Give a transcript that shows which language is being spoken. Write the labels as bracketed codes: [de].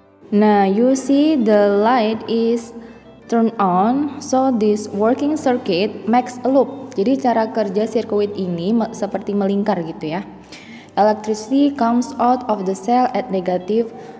[en] Nah, you see the light is turn on, so this working circuit makes a loop. [id] Jadi cara kerja sirkuit ini seperti melingkar gitu ya. [en] Electricity comes out of the cell at negative.